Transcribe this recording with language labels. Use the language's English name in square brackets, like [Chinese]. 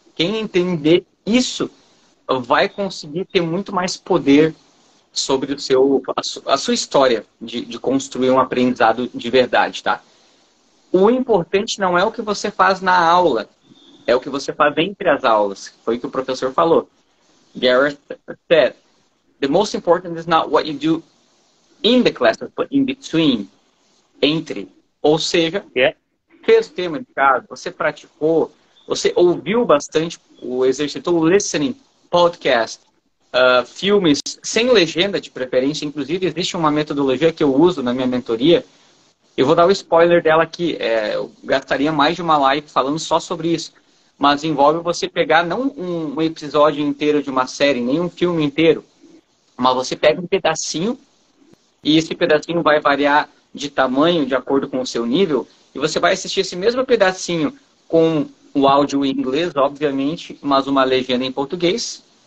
[Portuguese] Quem entender isso vai conseguir ter muito mais poder sobre o seu, a sua história de construir um aprendizado de verdade, tá? O importante não é o que você faz na aula, é o que você faz entre as aulas. Foi o que o professor falou. [English] Gareth said, the most important is not what you do in the class, but in between, entre. [Portuguese] Ou seja, fez o tema de casa, você praticou, você ouviu bastante o exercício, listening, podcast, filmes, sem legenda de preferência. Inclusive, existe uma metodologia que eu uso na minha mentoria, eu vou dar o spoiler dela aqui, eu gastaria mais de uma live falando só sobre isso, mas envolve você pegar não um episódio inteiro de uma série, nem um filme inteiro, mas você pega um pedacinho, e esse pedacinho vai variar de tamanho, de acordo com o seu nível, e você vai assistir esse mesmo pedacinho com o áudio em inglês, obviamente, mas uma legenda em português.